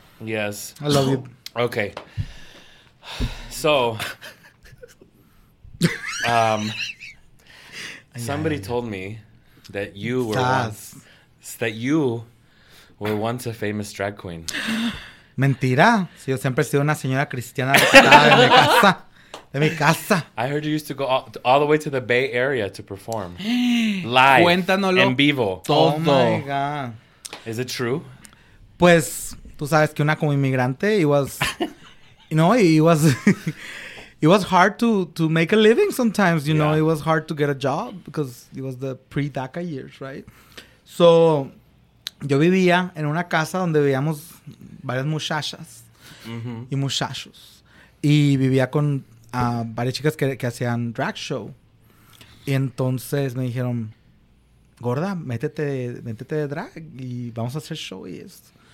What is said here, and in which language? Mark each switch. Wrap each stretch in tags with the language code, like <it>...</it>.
<en>Yes. I love you. Okay. So, somebody told me that you were once a famous drag queen.</en> <es>Mentira. Si yo siempre he sido una señora cristiana de mi casa. De mi casa.</es> <en>I heard you used to go all the way to the Bay Area to perform. Live.</en> <es>Cuéntanoslo. En vivo. Todo.</es> <en>Oh, my God. Is it true?</en> <es>Pues, tú sabes que una como inmigrante,</es> <en>it was, you know, it was hard to make a living sometimes, you know. It was hard to get a job because it was the pre-DACA years, right?</en> <es>So, yo vivía en una casa donde vivíamos varias muchachas y muchachos. Y vivía con... a varias chicas que hacían drag show. Y entonces me dijeron, gorda, métete de drag y vamos a hacer show y esto.</es>